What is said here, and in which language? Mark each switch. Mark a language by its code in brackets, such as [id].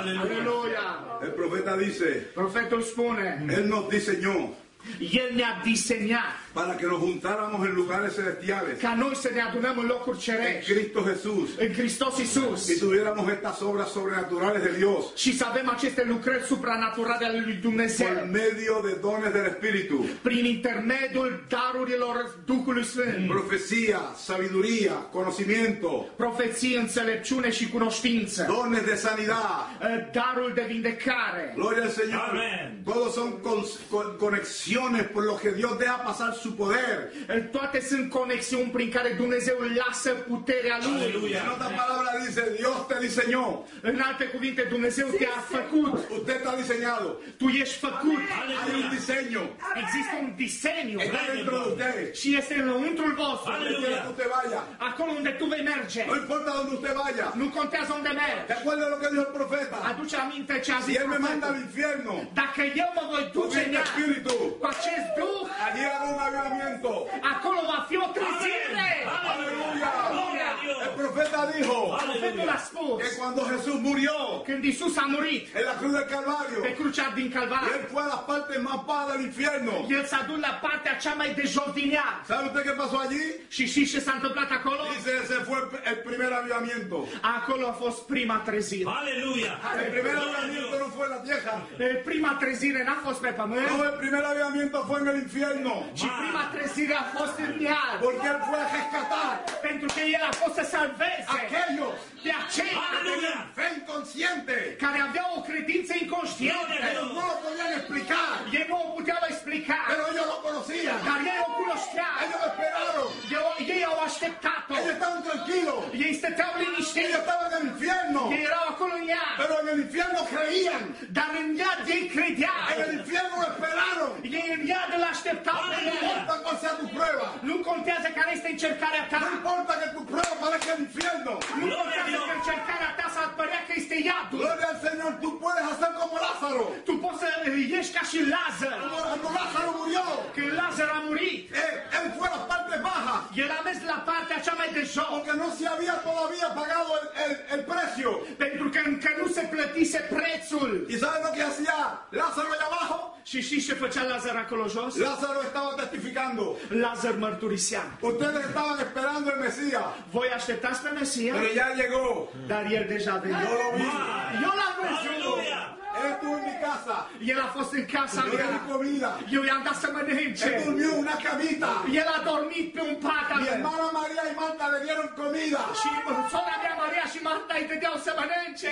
[es] Aleluya. El profeta dice. Profeta expone. Él nos diseñó. Y él me ha diseñado para que nos juntáramos en lugares celestiales. [ro] Que a noi se ne adunemos en locuri cerești. [es] En Cristo Jesús. En Cristos Jesús. Y tuviéramos estas obras sobrenaturales de Dios. [ro] Și să avem aceste lucrări supranaturale ale lui Dumnezeu. [es] Por medio de dones del Espíritu. [ro] Prin intermediul darurilor Duhului Sfânt. [es] Profecía, sabiduría, conocimiento. [ro] Profeție, înțelepciune și cunoștință. [es] Dones de sanidad. [ro] Darul de vindecare. [es] Gloria al Señor. Amen. Todos son conexiones. conexiones por lo que Dios deja pasar su poder. [ro] En toate sunt conexiuni prin care Dumnezeu lasă puterea lui. [es] Aleluia. [ro] În alte [es] palabras dice Dios te diseñó. [ro] În alte cuvinte Dumnezeu te-a făcut. [es] Usted está diseñado. [ro] Tu ești făcut. [es] Hay un diseño. [ro] Există un diseño. [es] Está dentro de usted. [ro] Și este înăuntrul vostru. Aleluia. Acolo unde tu vaya. Acolo unde tu vei merge. [es] No importa donde usted vaya. [ro] Nu contează unde mergi. [es] ¿Te acuerdas lo que dijo el profeta? [ro] Aduce aminte ce a zis [es] profetul. Si él me manda al infierno. [ro] Dacă eu mă voi duce în [es] Espíritu. [ro] Cu acest Duh. [es] Allí hay un avivamiento. [ro] Acolo va fi o trezire. [es] Aleluia. El profeta dijo. [ro] Profetul a spus. [es] Que cuando Jesús murió. [ro] Când Iisus a murit. [es] En la cruz del Calvario. [ro] Pe crucea din Calvario. [es] Él fue a la parte más baja del infierno. [ro] El s-a dus la partea cea mai de jos din iad. [es] ¿Sabe usted qué pasó allí? [ro] Și știi ce s-a întâmplat acolo? [es] Dice, ese fue el primer avivamiento. [ro] Acolo a fost prima trezire. Aleluia. [es] El primer avivamiento no fue en la tierra. [ro] Prima trezire n-a fost pe pământ. [es] No, el primer avivamiento fue en el infierno. [ro] Și prima trezire a fost în iad. [es] Porque él fue a rescatar. [ro] Pentru că el a fost să salveze. [es] Aquellos. [ro] De aceia aleluia. [es] Fe inconsciente. [ro] Care aveau o credință inconștientă. [es] Ellos no lo podían explicar. [ro] Ei nu o puteau explica. [es] Pero ellos lo conocían. [ro] Dar ei o cunoșteau. [es] Ellos esperaron. [ro] Ei au așteptat-o. [es] Ellos estaban tranquilos. [ro] Ei stăteau liniștiți. [es] Ellos estaban en el infierno. [ro] Ei erau acolo în iad. [es] Pero en el infierno creían. [ro] Dar în iad ei credeau. [es] En el infierno lo esperaron. [ro] Ei în iad îl așteptau. [es] No importa cuál sea tu prueba. [ro] Nu contează care este încercarea ta. [es] No importa que tu prueba parezca el infierno. [ro] Dacă încercarea ta s-ar părea că este iadul. [es] Gloria al Señor, tu puedes hacer como Lázaro. [ro] Tu poți să ieși ca și Lazar. [es] Cuando Lázaro murió. [ro] Când Lazar a murit. [es] Él fue a la parte baja. [ro] El a mers la partea cea mai de jos. [es] Porque no se había todavía pagado el precio. [ro] Pentru că încă nu se plătise prețul. [es] Y sabes lo que hacía Lázaro allá abajo? [ro] Și știi ce făcea Lazar acolo jos? [es] Lázaro estaba testificando. [ro] Lazar mărturisea. [es] Ustedes estaban esperando el Mesías. [ro] Voi așteptați pe Mesia? [es] Pero ya llegó. [ro] Dar el deja venit. [es] Yo lo vi. Yo la presión. Estuvo en mi casa. Y él [ro] a fost în casa [es] mea. Yo le di comida. Yo [ro] i-am dat să mănânce. [es] Él durmió una camita. Y él [ro] a dormit pe un pat. [es] Mi hermana María y Marta le dieron comida. [ro] Și sora mea Maria și Marta îi dădeau să mănânce.